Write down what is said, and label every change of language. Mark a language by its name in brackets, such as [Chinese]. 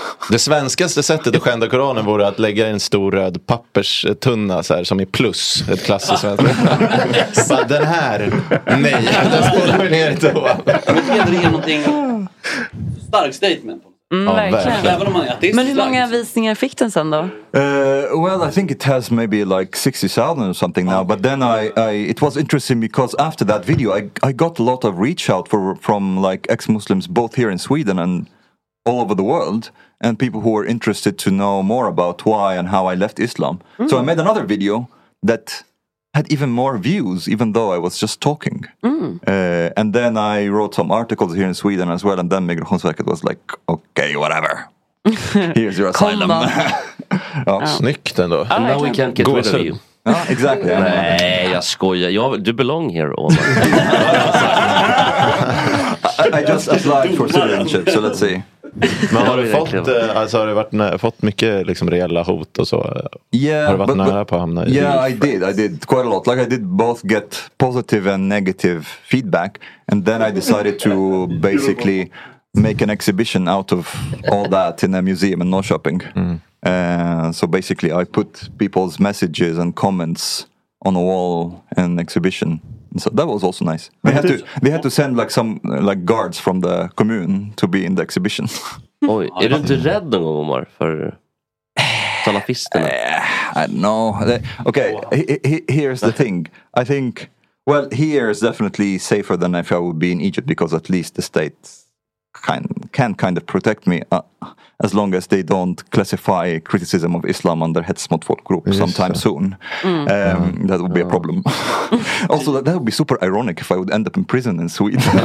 [Swedish] det svenskaste sättet att skända Koranen vore att lägga en stor röd papperstunna så här, som är plus, ett klassiskt svenskt. Bara den här, nej, den spolar vi ner i toan. Men det är någonting stark statement. Men hur många visningar fick den sen då? [English] Well, I think it has maybe like 60,000 or something now. But then I it was interesting because after that video, I got a lot of reach out from like ex-Muslims both here in Sweden and all over the world, and people who were interested to know more about why and how I left Islam. Mm. So I made another video that had even more views, even though I was just talking. Mm. And then I wrote some articles here in Sweden as well, and then Migrationsverket was like, okay, whatever. Here's your asylum. [Swedish] Snyggt ändå. [English] Now we can't get rid of you. Exactly. [Swedish] Nej, jag skojar. Du [English] belong here, [Swedish] Omar. [English] I just applied for citizenship, so let's see. [Swedish] Men har du fått, alltså har du varit fått mycket liksom reella hot och så? [English] Yeah, [Swedish] har du varit nära på att hamna i? [English] Yeah, I did quite a lot. Like I did both get positive and negative feedback, and then I decided to basically make an exhibition out of all that in a museum in Norrköping. So basically I put people's messages and comments on a wall in an exhibition. So that was also nice. They had to send like some like guards from the commune to be in the exhibition. [Swedish] Oj, är du inte rädd någon gång, Omar, för salafisterna? [English] I don't know. Okay, here's the thing. I think, well, here is definitely safer than if I would be in Egypt, because at least the state can kind of protect me as long as they don't classify criticism of Islam under hets mot folkgrupp sometime soon. That would be a problem. Also, that would be super ironic if I would end up in prison in Sweden.